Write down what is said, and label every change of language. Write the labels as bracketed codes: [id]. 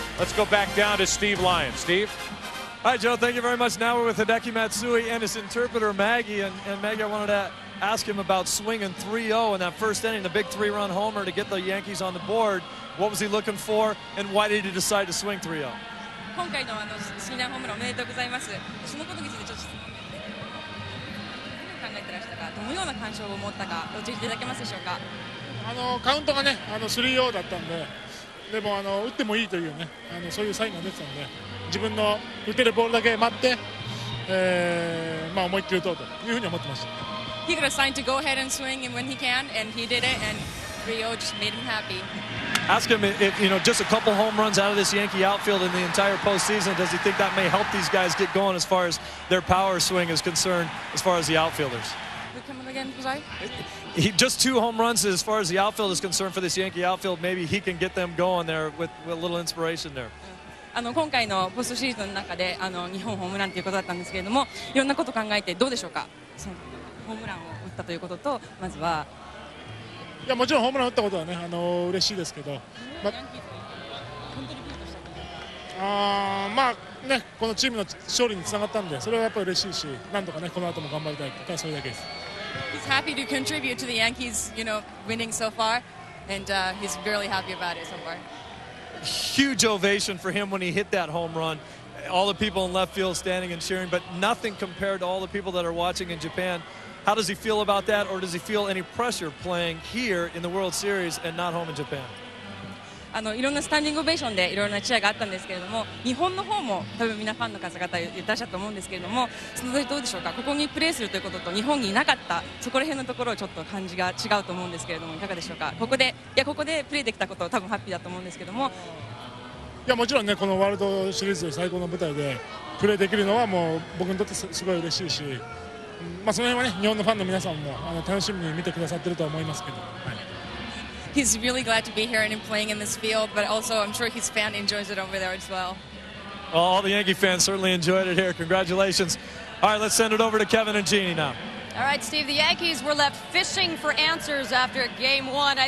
[en] Let's go back down to Steve Lyons. Steve? Hi, Joe. Thank you very much. Now we're with Hideki Matsui and his interpreter, Maggie. And Maggie, I wanted to ask him about swinging 3-0 in that first inning, the big three-run homer to get the Yankees on the board. What was he looking for, and why did he decide to swing 3-0? [ja] 今回のあの新年ホームランおめでとうございます。そのことについてちょっと考えてらしたか、どのような感傷を持ったか教えていただけますでしょうか。あのカウントがね、あの 3-0 だったんで、でもあの打ってもいいというね、あのそういうサインが出てたんで、自分の打てるボールだけ待って、まあ思いっきり打とうというふうに思ってました。 [en] He got a sign to go ahead and swing when he can, and he did it, and 3-0 just made him happy. Ask him, if, you know, just a couple home runs out of this Yankee outfield in the entire postseason, does he think that may help these guys get going as far as their power swing is concerned, as far as the outfielders? Again, just two home runs as far as the outfield is concerned for this Yankee outfield, maybe he can get them going there with a little inspiration there. [ja] あの今回のポストシーズンの中であの2本ホームランということだったんですけれども、いろんなこと考えてどうでしょうか？そのホームランを打ったということと、まずはいやもちろんホームラン打ったことはね、嬉しいですけど、まあまあね、このチームの勝利につながったんで、それはやっぱり嬉しいし、なんとかね、この後も頑張りたいというか、それだけです。 [en] He's happy to contribute to the Yankees, you know, winning so far, and he's really happy about it so far. Huge ovation for him when he hit that home run. All the people in left field standing and cheering, but nothing compared to all the people that are watching in Japan. How does he feel about that, or does he feel any pressure playing here in the World Series and not home in Japan? [ja] あのいろんなスタンディングオベーションでいろんなチアがあったんですけれども、日本の方も多分皆ファンの方々言ったしたと思うんですけれども、その時どうでしょうか。ここにプレーするということと日本にいなかったそこら辺のところちょっと感じが違うと思うんですけれども、いかがでしょうか。ここでいやここでプレーできたことは多分ハッピーだと思うんですけれども、いやもちろんねこのワールドシリーズで最高の舞台でプレーできるのはもう僕にとってすごい嬉しいし。まあ、その辺はね、日本のファンの皆さんもあの楽しみに見てくださってると思いますけど、はい、 [en] He's really glad to be here and playing in this field, but also I'm sure his fan enjoys it over there as well. Well, all the Yankee fans certainly enjoyed it here. Congratulations. All right, let's send it over to Kevin and Jeannie now. All right, Steve, the Yankees were left fishing for answers after game one.